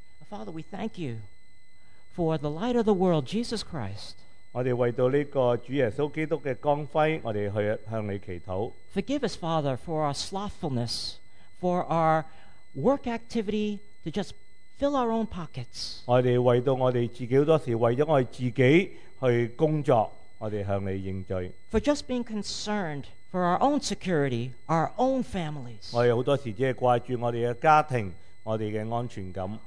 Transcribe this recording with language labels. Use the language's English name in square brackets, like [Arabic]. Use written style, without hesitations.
[English] Father, we thank you for the light of the world, Jesus Christ. [Chinese] 我们为到这个主耶稣基督的光辉， [English] Forgive us, Father, for our slothfulness, for our work activity to just fill our own pockets. [Chinese] 我们为到我们自己很多时候为了我们自己去工作，我们向你认罪。 [English] For just being concerned for our own security, our own families. [Chinese] 我们很多时候只是挂着我们的家庭，我们的安全感。